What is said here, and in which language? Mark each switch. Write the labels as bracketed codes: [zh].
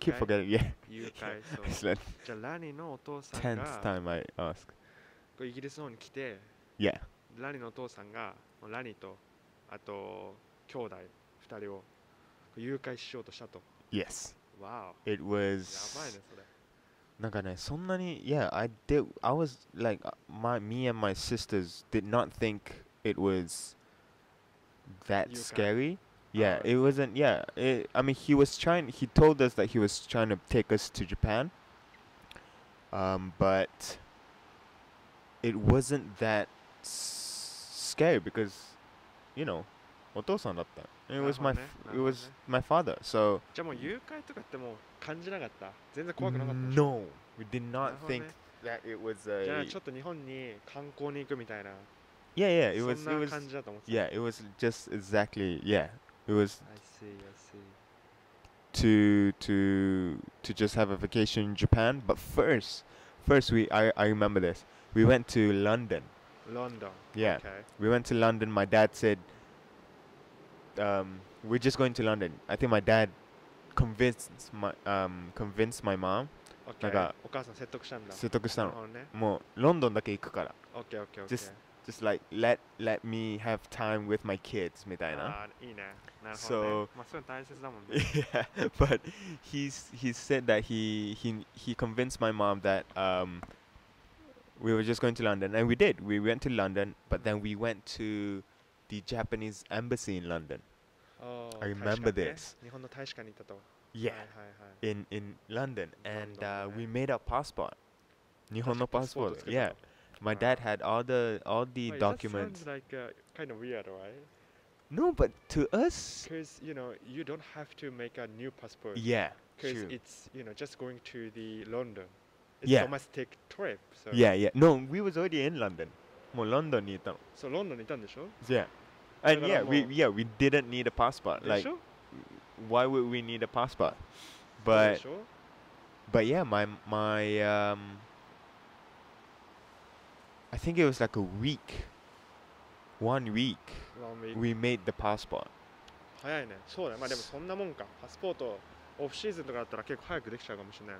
[en] keep forgetting. Yeah. [ja] 誘拐。じゃあ、ラニのお父さんが... [en] Tenth time I ask. [ja] イギリスの方に来て、 [en] yeah. [ja] ラニのお父さんが、ラニと、あと兄弟2人を誘拐しようとしたと。 [en] Yes. Wow. It was. [ja] やばいねそれ。なんかねそんなに [en] Yeah, I was like me and my sisters did not think it was that scary. Yeah, it wasn't. Yeah, I mean he was trying. He told us that he was trying to take us to Japan. But it wasn't that scary because. You know, [ja] お父さんだった。 [en] It was my it was my father. So. [ja] じゃあもう誘拐とかってもう感じなかった。全然怖くなかった。 [en] No, we did not think that it was a. [ja] じゃあちょっと日本に観光に行くみたいな。 [en] Yeah, yeah. It was. [ja] そんな感じだと思ってた。 [en] Yeah, it was just exactly. Yeah, it was. I see. To just have a vacation in Japan, but first I remember this. We went to London. London. Yeah. Okay. We went to London. My dad said, we're just going to London. I think my dad convinced my mom. [ja] Okay. なんか、お母さん説得したんだ。説得したの。なるほどね。もう、ロンドンだけ行くから。 [en] Okay. Just like, let me have time with my kids, [ja] みたいな。あー、いいね。なるほどね。 [en] So, [ja] まあ、それ大切だもんね。 [en] Yeah. But he said that he convinced my mom that, We were just going to London, and we did. We went to London, but then we went to the Japanese embassy in London. Oh, I remember this. [ja] 日本の大使館に行ったと。 [en] Yeah. [ja] はいはいはい。 [en] In London, and we made our passport. [ja] 日本のパスポート。 [en] Yeah. My dad had all the documents. That sounds like kind of weird, right? No, but to us. Because you know, you don't have to make a new passport. Yeah. Because it's you know just going to the London. It's yeah. a domestic trip. So. Yeah, yeah. No, we was already in London. [ja] もうロンドンにいたの。 So, ロンドンにいたんでしょ? [en] Yeah. And yeah, we didn't need a passport. Like, why would we need a passport? But yeah, my I think it was like a week. 1 week. Long week. We made the passport. [ja] 早いね。そうだ。まあでもそんなもんか。パスポート、オフシーズンとかだったら結構早くできちゃうかもしれない。